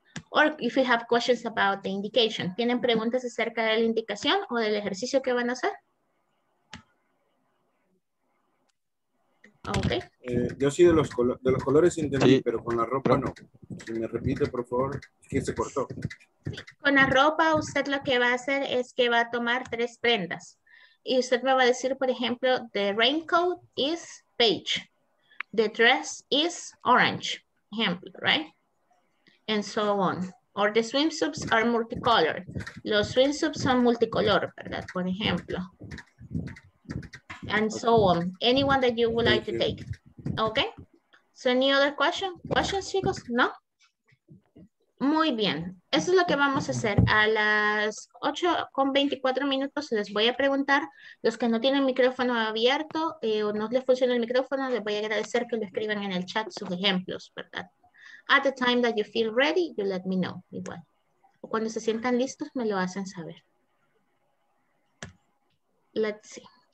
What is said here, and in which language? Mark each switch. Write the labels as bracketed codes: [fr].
[en] Or if you have questions about the indication. [es] ¿Tienen preguntas acerca de la indicación o del ejercicio que van a hacer? [en] Okay. [es] Yo sí de los colores entendí, sí. Pero con la ropa no. Si me repite, por favor, ¿qué se cortó? Con la ropa usted lo que va a hacer es que va a tomar tres prendas. Y usted me va a decir, por ejemplo, [en] the raincoat is beige. The dress is orange. Ejemplo, right? And so on. Or the swimsuits are multicolored. [es] Los swimsuits son multicolor, ¿verdad? Por ejemplo. [en] And so on. Anyone that you would like to take. Okay. So any other question? Questions, chicos? No? [es] Muy bien. Eso es lo que vamos a hacer. A las 8:24 minutos les voy a preguntar. Los que no tienen micrófono abierto o no les funciona el micrófono, les voy a agradecer que lo escriban en el chat sus ejemplos, ¿verdad? [en] At the time that you feel ready, you let me know. [es] Igual. O cuando se sientan listos, me lo hacen saber. [en] Let's see.